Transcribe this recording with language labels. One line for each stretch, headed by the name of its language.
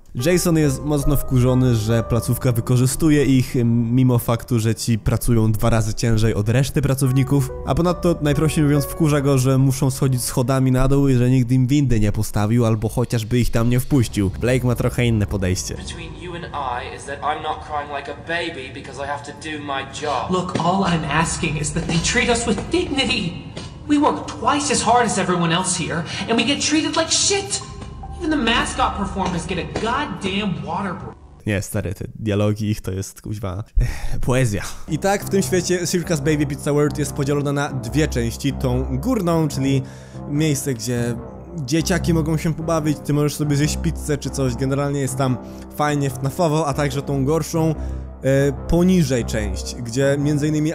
Polish: Jason jest mocno wkurzony, że placówka wykorzystuje ich, mimo faktu, że ci pracują dwa razy ciężej od reszty pracowników. A ponadto, najprościej mówiąc, wkurza go, że muszą schodzić schodami na dół i że nigdy im windy nie postawił, albo chociażby ich tam nie wpuścił. Blake ma trochę inne podejście.
English: Between you and I is that I'm not crying like a baby because I have to do my job. Look, all I'm asking is that they treat us with dignity. We work twice as hard as everyone else here, and we get treated like shit! Even the mascot performers get a goddamn water break.
Polish: Nie, stary, te dialogi ich to jest, kuźwa, poezja. I tak w tym świecie Circa's Baby Pizza World jest podzielona na dwie części. Tą górną, czyli miejsce, gdzie dzieciaki mogą się pobawić, ty możesz sobie zjeść pizzę czy coś, generalnie jest tam fajnie, FNAF-owo, a także tą gorszą, poniżej część, gdzie m.in.